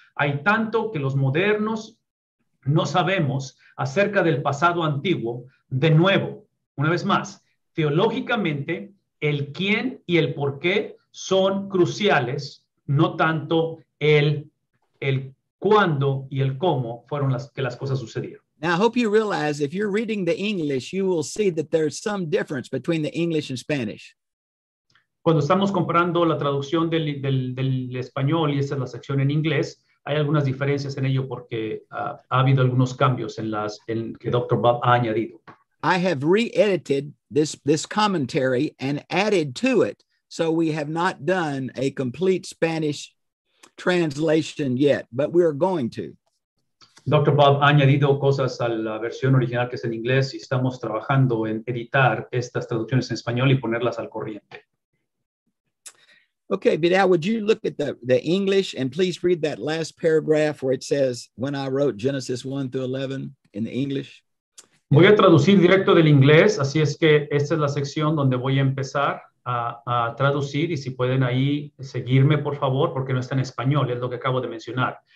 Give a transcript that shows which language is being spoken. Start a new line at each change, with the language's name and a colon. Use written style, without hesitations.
Spanish: Hay tanto que los modernos no sabemos acerca del pasado antiguo. De nuevo, una vez más, teológicamente, el quién y el por qué son cruciales, no tanto el cuándo y el cómo fueron las cosas sucedieron.
English: Now, I hope you realize if you're reading the English, you will see that there's some difference between the English and Spanish.
Spanish: Cuando estamos comparando la traducción del español y esta es la sección en inglés, hay algunas diferencias en ello porque ha habido algunos cambios en que Dr. Bob ha añadido.
English: I have re-edited this commentary and added to it, so we have not done a complete Spanish translation yet, but we are going to.
Spanish: Dr. Bob ha añadido cosas a la versión original que es en inglés y estamos trabajando en editar estas traducciones en español y ponerlas al corriente.
English: Okay, Vidal, would you look at the English and please read that last paragraph where it says, when I wrote Genesis 1 through 11 in the English?
Spanish: Voy a traducir directo del inglés, así es que esta es la sección donde voy a empezar. A traducir y si pueden ahí seguirme por favor porque no está en español, es lo que acabo de mencionar.